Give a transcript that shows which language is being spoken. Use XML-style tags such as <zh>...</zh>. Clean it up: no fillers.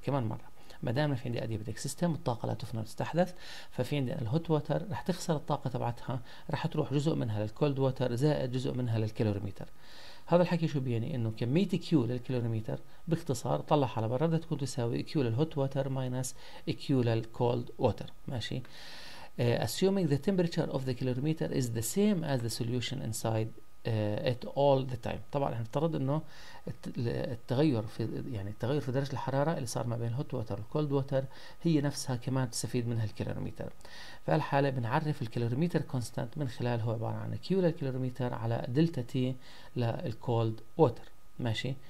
<ar>كمان مره، ما دام في عندي اديابتيك سيستم الطاقه لا تفنى وتستحدث، ففي عندي الهوت ووتر رح تخسر الطاقه تبعتها، رح تروح جزء منها للكولد ووتر زائد جزء منها للكالوريمتر. هذا الحكي شو بيعني؟ انه كميه كيو للكيلوريمتر باختصار طلعها على برا بدها تكون تساوي كيو للهوت ووتر ماينس كيو للكولد ووتر، ماشي.</ar> <en>Assuming the temperature of the kilometer is the same as the solution inside it all the time.</en> <ar>طبعا احنا نفترض انه التغير في، يعني التغير في درجه الحراره اللي صار ما بين الهوت ووتر والكولد ووتر هي نفسها كمان تستفيد منها الكيلوريمتر. في الحاله بنعرف الكيلوريمتر كونستانت من خلال هو عباره عن كيو للكيلوريمتر على دلتا تي للكولد ووتر، ماشي.</ar>